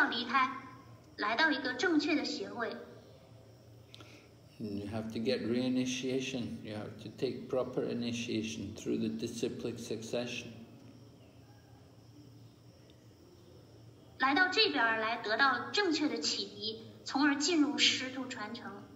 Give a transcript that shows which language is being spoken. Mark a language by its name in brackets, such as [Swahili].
[Chinese] 因他们那种的启迪不是有效力的，他们没有跟使徒传习有连接，所以他们那种启迪没有力量，必须要离开，来到一个正确的协会。 [English] You have to get reinitiation. You have to take proper initiation through the disciplic succession. [Chinese] 来到这边来得到正确的启迪，从而进入使徒传承。